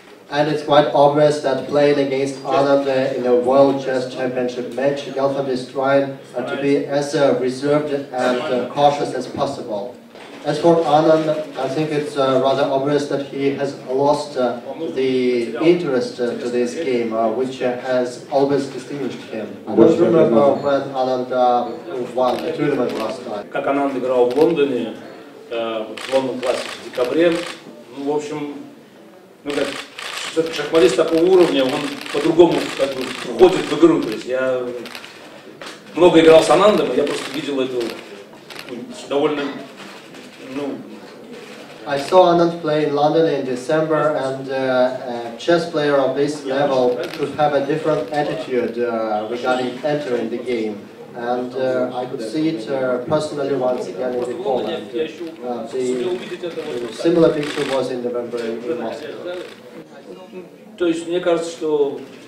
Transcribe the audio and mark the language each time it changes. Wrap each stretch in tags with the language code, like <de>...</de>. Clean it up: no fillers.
<en>And it's quite obvious that playing against Anand in a World Chess Championship match, Gelfand is trying to be as reserved and cautious as possible. As for Anand, I think it's rather obvious that he has lost the interest to this game, which has always distinguished him. I don't remember when Anand won the tournament last time.</en> <ru>Как Анан играл в Лондоне, в Лондон Классик в декабре. Ну, в общем, ну как шахматист такого уровня, он по-другому как бы входит в игру. То есть я много играл с Анандом, я просто видел эту довольно.</ru> <en>I saw Anand play in London in December, and a chess player of this level could have a different attitude regarding entering the game. And I could see it personally once again in the corner. The similar picture was in November in Moscow.</en>